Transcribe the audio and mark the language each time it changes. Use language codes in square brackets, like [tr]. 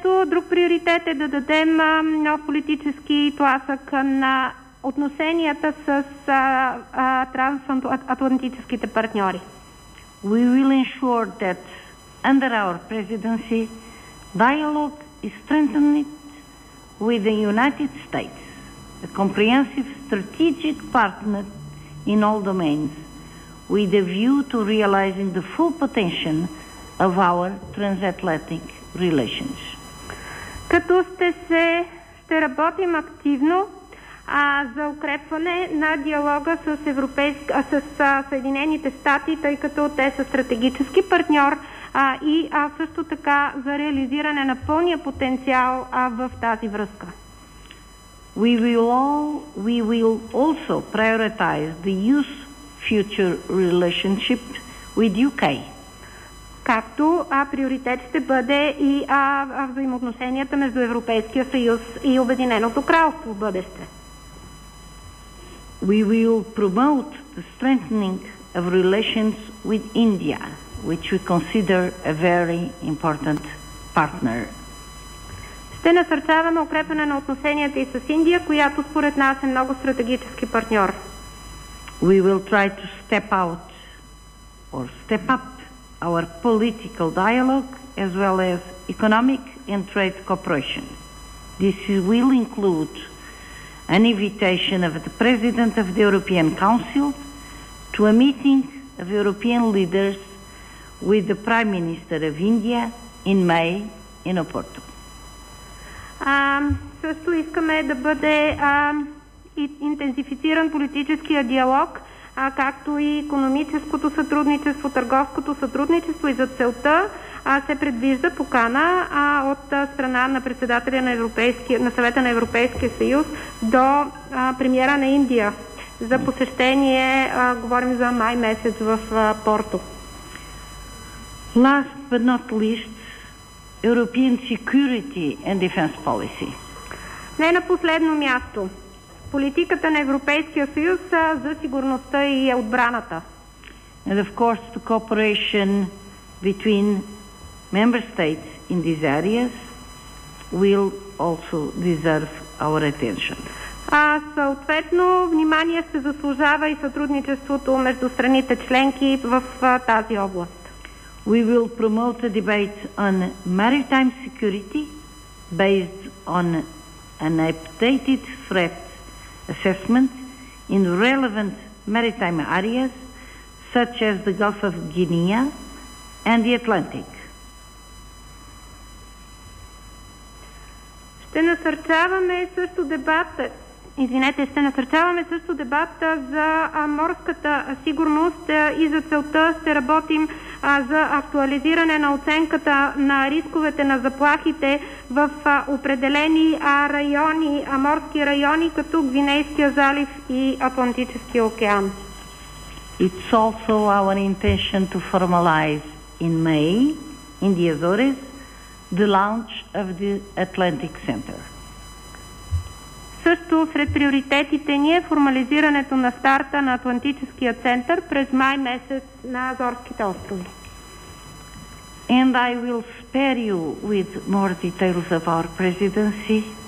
[bg] Друг приоритет е да дадем нов политически тласък на отношенията с трансатлантическите партньори. [en] We will ensure that under our presidency dialogue is strengthened with the United States, a comprehensive strategic partner in all domains, with a view to realizing the full potential of our transatlantic relations. [bg] Като ще работим активно за укрепване на диалога с Съединените щати, тъй като те са стратегически партньор и също така за реализиране на пълния потенциал в тази връзка. [en] We will also prioritize the youth future relationship with UK. [bg] както приоритет ще бъде и взаимоотношенията между Европейския съюз и Обединеното кралство в бъдеще. [en] We will promote the strengthening of relations with India, which we consider a very important partner. [bg] Ще насърчаваме укрепване на отношенията и с Индия, която според нас е много стратегически партньор. [en] We will try to step out or step up our political dialogue as well as economic and trade cooperation. This will include an invitation of the President of the European Council to a meeting of European leaders with the Prime Minister of India in May in Oporto. [bg] Също искаме да бъде интензифициран политическия диалог, както и икономическото сътрудничество, търговското сътрудничество, и за целта се предвижда покана от страна на председателя на Съвета на Европейския съюз до премиера на Индия за посещение, говорим за май месец, в Порто. [en] Last but not least, European security and defense policy. [bg] Не на последно място, политиката на Европейския съюз за сигурността и отбраната. [en] And of course, the cooperation between member states in these areas will also deserve our attention. [bg] Съответно, внимание се заслужава и сътрудничеството между страните членки в тази област. [en] We will promote a debate on maritime security based on an updated threat assessment in relevant maritime areas such as the Gulf of Guinea and the Atlantic. [bg] Ще насърчаваме също дебата. Ще насърчаваме също дебата за морската сигурност и за целта ще работим за актуализиране на оценката на рисковете, на заплахите в определени райони, морски райони, като Гвинейския залив и Атлантическия океан. [en] It's also our intention to formalize in May in the Azores the launch of the Atlantic Center. [bg] Също сред приоритетите ни е формализирането на старта на Атлантическия център през май месец на Азорските острови. [en] And I will spare you with more details of our presidency.